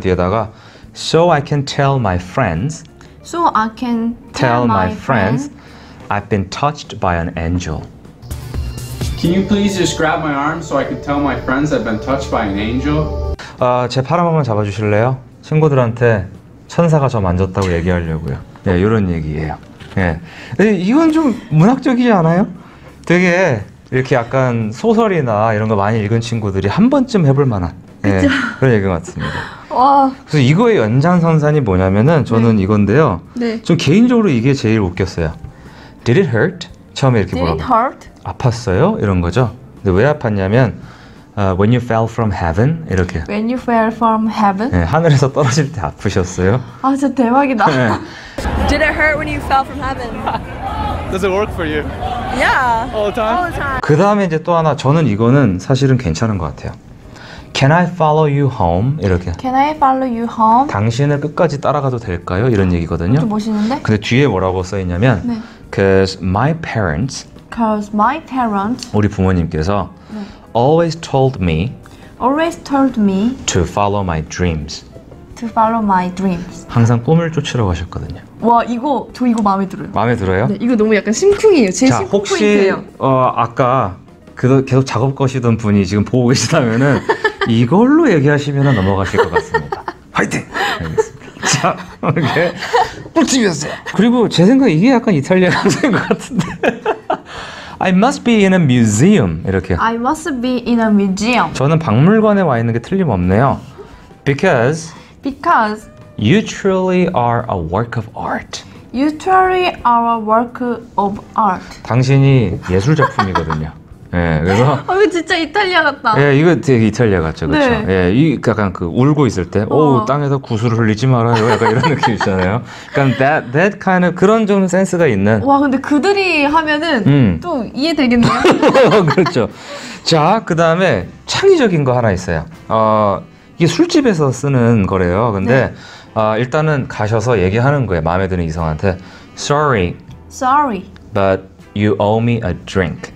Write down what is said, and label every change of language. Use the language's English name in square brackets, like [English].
[Korean] 다음에 뒤에다가 [English] So I can tell my friends. So I can tell tell my my friends friends. I've been touched by an angel. Can you please just grab my arm so I can tell my friends I've been touched by an angel? [Korean] 제팔한 번만 잡아주실래요? 친구들한테 천사가 저 만졌다고 얘기하려고요. 네, 이런 얘기예요. 네. 이건 좀 문학적이지 않아요? 되게 이렇게 약간 소설이나 이런 거 많이 읽은 친구들이 한 번쯤 해볼 만한 그쵸? 네, 그런 얘기 같습니다. 와. 그래서 이거의 연장선상이 뭐냐면은 저는 네. 이건데요. 네. 좀 개인적으로 이게 제일 웃겼어요. [English] Did it hurt? [Korean] 처음에 이렇게 [English] Did it [Korean] 물어봐. [English] hurt? [Korean] 아팠어요? 이런 거죠. 근데 왜 아팠냐면 [English] When you fell from heaven 이렇게. When you fell from heaven? [Korean] 네, 하늘에서 떨어질 때 아프셨어요? 아, 진짜 대박이다. 네. [English] Did it hurt when you fell from heaven? Does it work for you? Yeah. All the time? All the time. [Korean] 그 다음에 이제 또 하나 저는 이거는 사실은 괜찮은 것 같아요. [English] Can I follow you home? [Korean] 이렇게. [English] Can I follow you home? [Korean] 당신을 끝까지 따라가도 될까요? 이런 얘기거든요. 좀 멋있는데? 근데 뒤에 뭐라고 써 있냐면 네. [English] Cause my parents Cause my parents [Korean] 우리 부모님께서 네. [English] always told me Always told me to follow my dreams. To follow my dreams. [Korean] 항상 꿈을 쫓으라고 하셨거든요. 와, 이거, 저 이거 마음에 들어요. 마음에 들어요? 네, 이거 너무 약간 심쿵이에요. 제 자, 심쿵 혹시 포인트예요. 아까 계속 작업 거시던 분이 지금 보고 계시다면은 이걸로 얘기하시면 넘어가실 것 같습니다. 화이팅! 알겠습니다. 자, 이렇게 꿀팁이었어요. 그리고 제 생각 이게 약간 이탈리아 감성인 것 같은데. [English] I must be in a museum. [Korean] 이렇게. [English] I must be in a museum. [Korean] 저는 박물관에 와 있는 게 틀림없네요. [English] Because you truly are a work of art. You truly are a work of art. [Korean] 당신이 예술 작품이거든요. 예, 그래서. 아, 이거 진짜 이탈리아 같다. 예, 이거 되게 이탈리아 같죠, 그렇죠? 네. 예, 이 약간 그 울고 있을 때, 오, 땅에서 구슬을 흘리지 말아요, 약간 이런 느낌 있잖아요. 약간 [English] that kind of [Korean] 그런 좀 센스가 있는. 와, 근데 그들이 하면은 또 이해 되겠네요. 그렇죠. 자, 그 다음에 창의적인 거 하나 있어요. 이게 술집에서 쓰는 거래요. 근데 네. 일단은 가셔서 얘기하는 거예요. 마음에 드는 이성한테 [English] Sorry, but you owe me a drink.